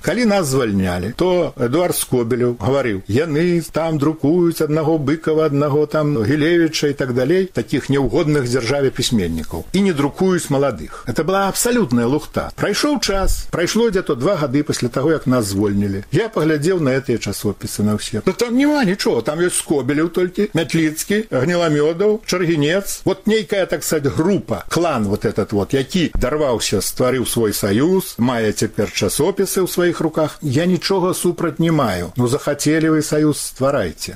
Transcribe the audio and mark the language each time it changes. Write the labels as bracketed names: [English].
[Russian] Коли нас звольняли, то Эдуард Скобелев говорил, яны там друкуют одного Быкова, одного там Гилевича и так далее, таких неугодных державе письменников. И не друкуют молодых. Это была абсолютная лухта. Прошел час, прошло где-то 2 года после того, как нас звольнили. Я поглядел на эти часописы, на все. Но там нема ничего, там есть Скобелев только, Метлицкий, Гниломедов, Чергинец. Вот некая, так сказать, группа, клан вот этот вот, [Belarusian] який дарваўся, стварыў свой саюз, мае цяпер часопісы ў сваіх руках, я нічога супраць не маю. Ну, захацелі вы саюз, стварайце.